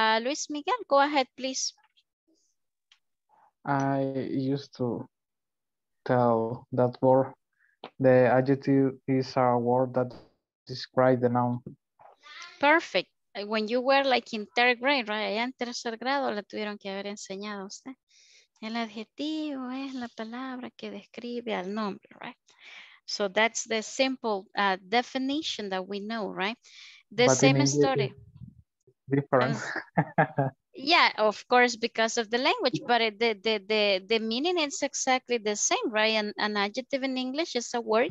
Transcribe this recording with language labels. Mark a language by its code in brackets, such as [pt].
[en] Luis Miguel, go ahead, please. I used to tell that word. The adjective is a word that describe the noun. Perfect. When you were like in third grade, right? [es] Allá en tercer grado le tuvieron que haber enseñado a usted. El adjetivo es la palabra que describe al nombre, right? [en] So that's the simple definition that we know, right? The but same story. Different. Yeah, of course, because of the language, but it, the meaning is exactly the same, right? An adjective in English is a word.